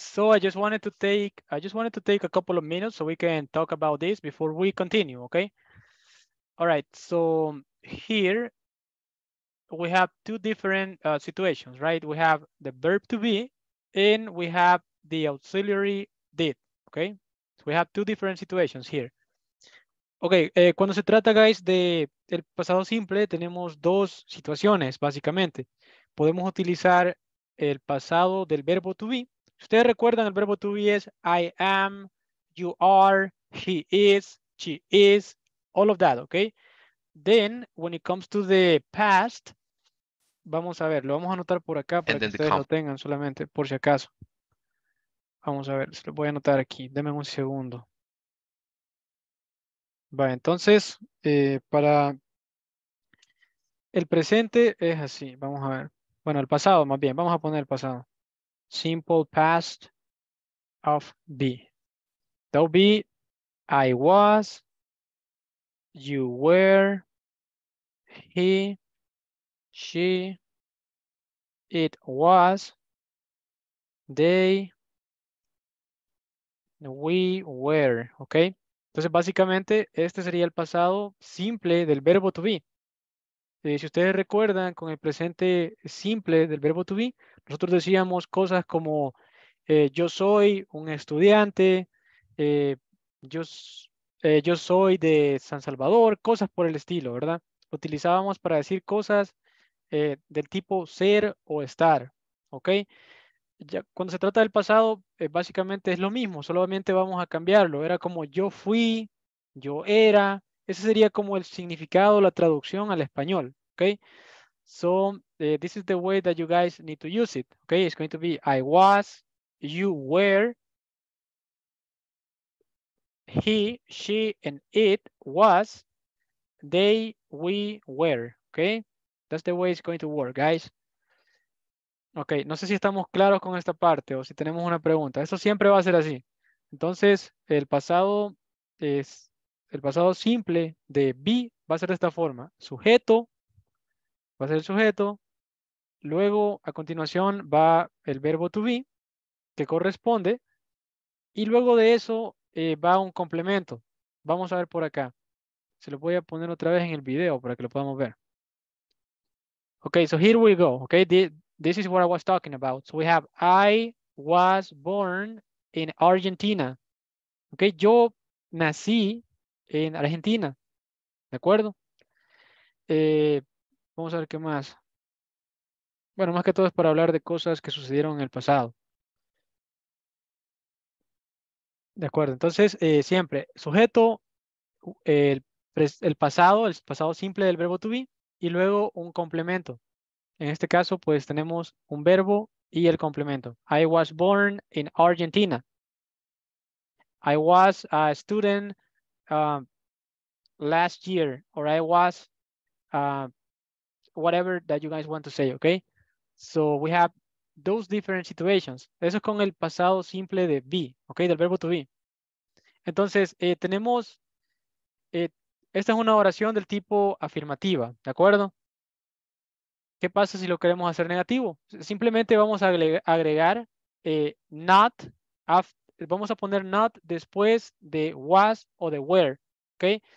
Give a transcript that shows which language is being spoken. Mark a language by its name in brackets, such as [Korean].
[English] So I just wanted to take a couple of minutes so we can talk about this before we continue. Okay. All right. So here we have two different situations, right? We have the verb to be, and we have the auxiliary did. Okay, so we have two different situations here. [Spanish] Okay, cuando se trata, guys, de el pasado simple, tenemos dos situaciones básicamente. Podemos utilizar el pasado del verbo to be. Ustedes recuerdan, el verbo to be es [English] I am, you are, he is, she is, all of that. Okay. Then when it comes to the past, [Spanish] Vamos a ver, lo vamos a anotar por acá para que ustedes lo tengan solamente, por si acaso. Vamos a ver, se lo voy a anotar aquí. Deme un segundo. Va, entonces, para el presente es así. Vamos a ver. Bueno, el pasado más bien. Vamos a poner el pasado. [English] Simple past of be. That'll be I was, you were, he, she, it was, they, we were, ¿ok? [Spanish] Entonces, básicamente, este sería el pasado simple del verbo to be. Si ustedes recuerdan, con el presente simple del verbo to be, nosotros decíamos cosas como yo soy un estudiante, yo soy de San Salvador, cosas por el estilo, ¿verdad? Lo utilizábamos para decir cosas del tipo ser o estar, ¿ok? Ya, cuando se trata del pasado, básicamente es lo mismo, solamente vamos a cambiarlo. Era como yo fui, yo era. Ese sería como el significado, la traducción al español, ¿ok? [English] So, this is the way that you guys need to use it, ¿ok? It's going to be I was, you were, he, she, and it was, they, we were, ¿ok? That's the way it's going to work, guys. [Spanish] Ok, no sé si estamos claros con esta parte o si tenemos una pregunta. Eso siempre va a ser así. Entonces, el pasado es el pasado simple de be va a ser de esta forma. Sujeto, va a ser el sujeto. Luego, a continuación, va el verbo to be, que corresponde. Y luego de eso, va un complemento. Vamos a ver por acá. Se lo voy a poner otra vez en el video para que lo podamos ver. [English] Ok, so here we go. Ok, this is what I was talking about. So we have, I was born in Argentina. [Spanish] Ok, yo nací en Argentina. ¿De acuerdo? Vamos a ver qué más. Bueno, más que todo es para hablar de cosas que sucedieron en el pasado. ¿De acuerdo? Entonces, siempre, sujeto, el pasado simple del verbo to be, y luego un complemento. En este caso, pues tenemos un verbo y el complemento. [English] I was born in Argentina. I was a student last year. Or I was whatever that you guys want to say, okay? So we have those different situations. [Spanish] Eso es con el pasado simple de be, okay? Del verbo to be. Entonces, tenemos, esta es una oración del tipo afirmativa, ¿de acuerdo? ¿Qué pasa si lo queremos hacer negativo? Simplemente vamos a agregar not, vamos a poner not después de was o de were, ¿ok?